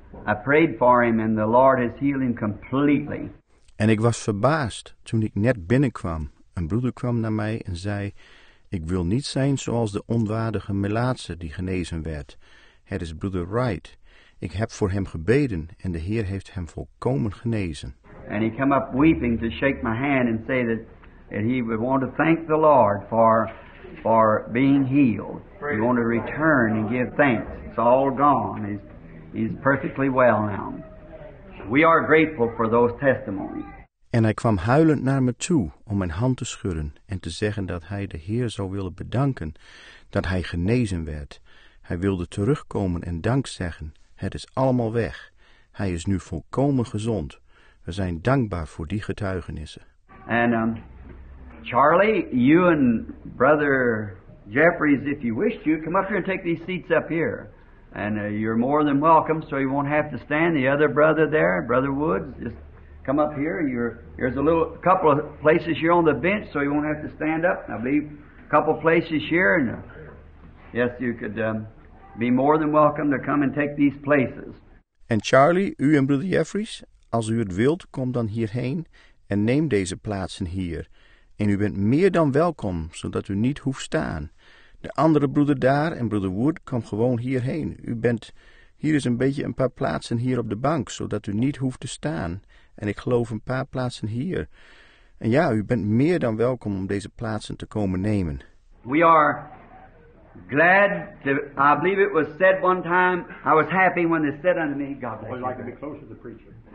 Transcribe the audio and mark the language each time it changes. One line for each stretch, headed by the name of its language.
English: I prayed for him and the Lord has healed him completely.
Dutch: En ik was verbaasd toen ik net binnenkwam. Een broeder kwam naar mij en zei, ik wil niet zijn zoals de onwaardige melaatse die genezen werd. Het is Brother Wright. Ik heb voor hem gebeden en de Heer heeft hem volkomen genezen.
English: And he came up weeping to shake my hand and say that he would want to thank the Lord for being healed. He wanted to return and give thanks. It's all gone. He's perfectly well now. We are grateful for those testimonies.
Dutch: En hij kwam huilend naar me toe om mijn hand te schudden en te zeggen dat hij de Heer zou willen bedanken dat hij genezen werd. Hij wilde terugkomen en dank zeggen. Het is allemaal weg. Hij is nu volkomen gezond. We zijn dankbaar voor die getuigenissen.
English: En Charlie, you and Brother Jeffries, if you wished to, come up here and take these seats up here. And you're more than welcome, so you won't have to stand. The other brother there, Brother Woods, just come up here. There's a little couple of places here on the bench, so you won't have to stand up. I believe a couple places here. And yes, you could be more than welcome to come and take these places.
Dutch: And Charlie, u en Brother Jeffries, als u het wilt, kom dan hierheen en neem deze plaatsen hier. En u bent meer dan welkom, zodat u niet hoeft staan. De andere broeder daar en Brother Wood, kom gewoon hierheen. U bent, hier is een beetje een paar plaatsen hier op de bank, zodat u niet hoeft te staan. En ik geloof een paar plaatsen hier. En ja, u bent meer dan welkom om deze plaatsen te komen nemen.
English: We are glad to, I believe it was said one time, I was happy when they said unto me, God bless you. I would like to be closer to the preacher.